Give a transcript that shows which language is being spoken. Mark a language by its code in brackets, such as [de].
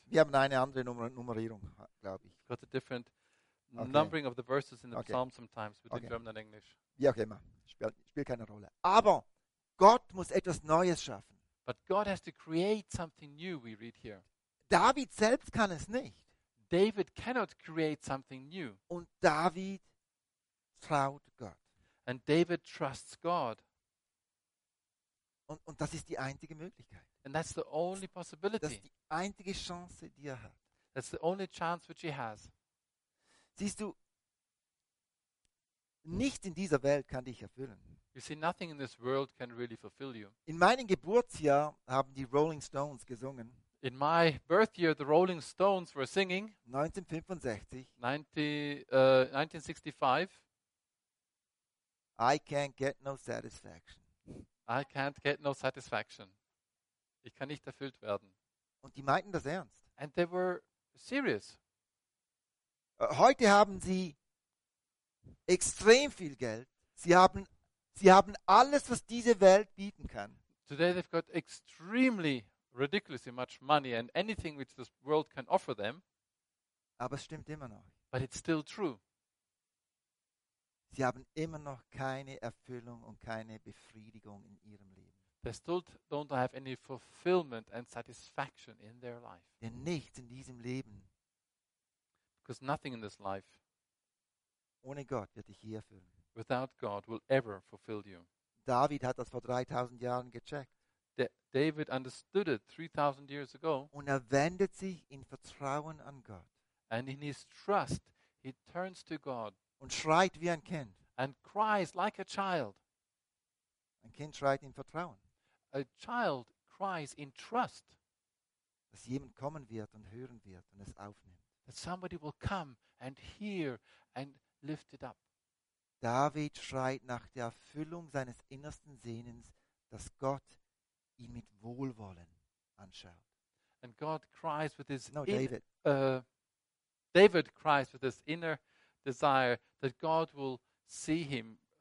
[de] Wir haben eine andere Nummerierung, glaube ich. [en] Got a different numbering of the verses in the Psalm sometimes with the German and English. [de] Wie auch immer, spielt keine Rolle. Aber Gott muss etwas Neues schaffen. [en] But God has to create something new, we read here. [de] David selbst kann es nicht. [en] David cannot create something new. [de] Und David traut Gott. [en] And David trusts God. [de] Und das ist die einzige Möglichkeit. [en] And that's the only possibility. [de] Das ist die einzige Chance, die er hat. [en] That's the only chance which he has. [de] Siehst du, nichts in dieser Welt kann dich erfüllen. [en] You see, nothing in this world can really fulfill you. [de] In meinem Geburtsjahr haben die Rolling Stones gesungen. [en] In my birth year, the Rolling Stones were singing. [de] 1965. [en] 1965. I can't get no satisfaction. I can't get no satisfaction. [de] Ich kann nicht erfüllt werden. Und die meinten das ernst. [en] And they were serious. [de] Heute haben sie extrem viel Geld. Sie haben alles, was diese Welt bieten kann. [en] Today they've got extremely ridiculously much money and anything which this world can offer them. [de] Aber es stimmt immer noch. [en] But it's still true. [de] Sie haben immer noch keine Erfüllung und keine Befriedigung in ihrem Leben. [en] They still don't have any fulfillment and satisfaction in their life. [de] Denn nichts in diesem Leben. [en] Because nothing in this life. [de] Ohne Gott wird dich hier erfüllen. [en] Without God will ever fulfill you. [de] David hat das vor 3000 Jahren gecheckt. [en] David understood it 3000 years ago. [de] Und er wendet sich in Vertrauen an Gott. [en] And in his trust, he turns to God. [de] Und schreit wie ein Kind. [en] And cries like a child. [de] Ein Kind schreit in Vertrauen. [en] A child cries in trust. [de] Dass jemand kommen wird und hören wird und es aufnimmt. [en] That somebody will come and hear and lift it up. [de] David schreit nach der Erfüllung seines innersten Sehnens, dass Gott ihn mit Wohlwollen anschaut. [en] And God cries with his David. David cries with this inner desire that God will see him.